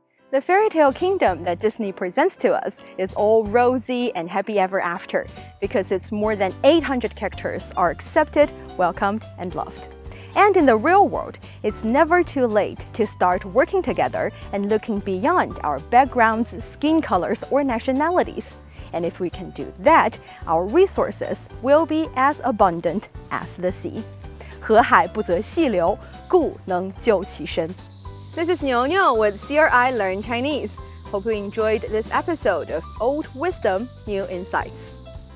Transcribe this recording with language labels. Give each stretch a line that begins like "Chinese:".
English: The fairy tale kingdom that Disney presents to us is all rosy and happy ever after because its more than 800 characters are accepted, welcomed, and loved. And in the real world, it's never too late to start working together and looking beyond our backgrounds, skin colors, or nationalities. And if we can do that, our resources will be as abundant as the sea.
Chinese: 河海不择细流，故能就其深。
English: This is Niuniu with CRI Learn Chinese. Hope you enjoyed this episode of Old Wisdom, New Insights.